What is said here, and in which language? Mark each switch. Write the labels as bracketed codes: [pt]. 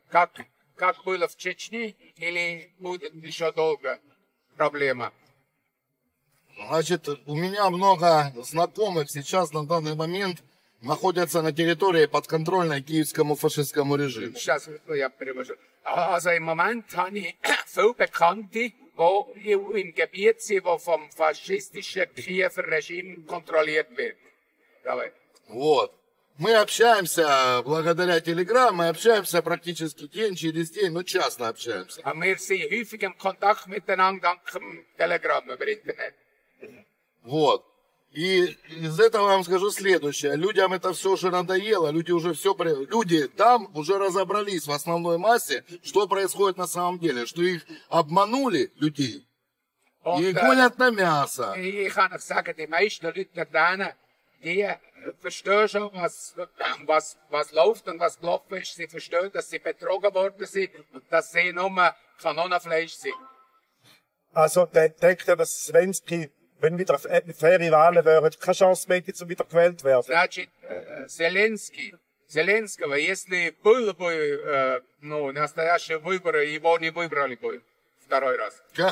[ru] Как было в Чечне, или будет еще долго проблема? Значит, у меня много знакомых сейчас на данный момент находятся на территории подконтрольной киевскому фашистскому режиму. Сейчас я перевожу. [de] Also, im Moment [ru] они [de] viel bekannte, die im Gebiet sind, die vom faschistischen Kiewer Regime kontrolliert wird. [ru] Давай. Вот. Мы общаемся благодаря Telegram, мы общаемся практически день через день, но часто общаемся. А мы все [de] häufig im Kontakt miteinander dank Telegram über Internet. [ru] Вот. И из этого вам скажу следующее. Людям это все уже надоело, люди там уже разобрались в основной массе, что происходит на самом деле, что их обманули, людей. [de] Und ich kann euch sagen, die meisten Leute denen, die verstehen schon, was läuft und was gelaufen ist. Sie verstehen, dass sie betrogen worden sind und dass sie nur Kanonenfleisch sind. Also, der denkt ja, dass Svensky, wenn wieder faire Wahlen wären, keine Chance mehr hätte, um wieder gewählt zu werden. [ru] Zelensky, если было бы, ну, настоящие выборы, его не выбрали бы второй раз.